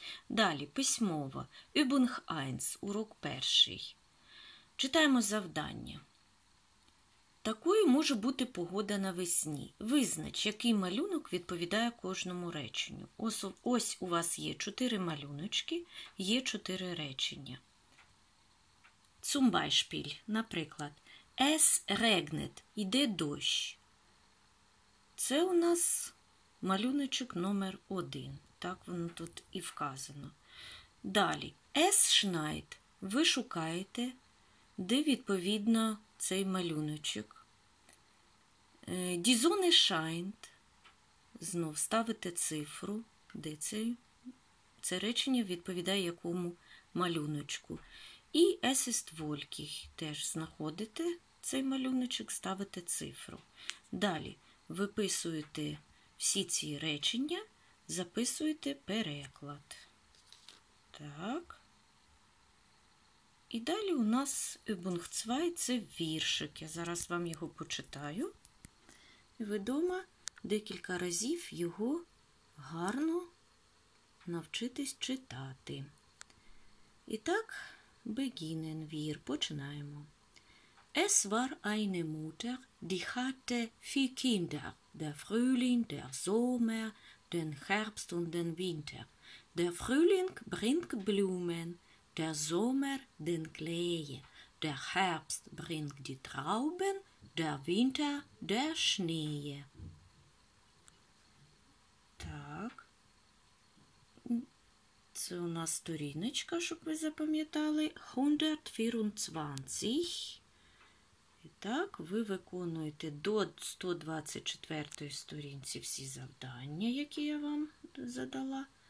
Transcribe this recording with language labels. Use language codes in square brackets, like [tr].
[uk] Далі, письмово. Übung 1, урок перший. Читаємо завдання. Такою може бути погода навесні. Визнач, який малюнок відповідає кожному реченню. Ось у вас є 4 малюночки, є 4 речення. [de] Zum Beispiel, [uk] наприклад. [de] Es regnet, [uk] йде дощ. Це у нас малюночок номер 1. Так воно тут і вказано. Далі. [de] Es schneit. [uk] Ви шукаєте, де відповідно цей малюночок. [de] Die Sonne scheint. [uk] Знов ставите цифру, де це речення відповідає якому малюночку. І [de] es ist wolkig. [uk] Теж знаходите цей малюночок, ставите цифру. Далі. Виписуєте всі ці речення. Записуйте переклад. Так. І далі у нас Übung 2 – це віршик. Я зараз вам його почитаю. І ви дома декілька разів його гарно навчитесь читати. І так, [de] beginnen wir. [uk] Починаємо. [de] Es war eine Mutter, die hatte vier Kinder. Der Frühling, der Sommer, den Herbst und den Winter. Der Frühling bringt Blumen, der Sommer den Klee, der Herbst bringt die Trauben, der Winter der Schnee. [uk] Так. Це у нас сторіночка, щоб ви запам'ятали. 124. І так, ви виконуєте до 124 сторінці всі завдання, які я вам задала.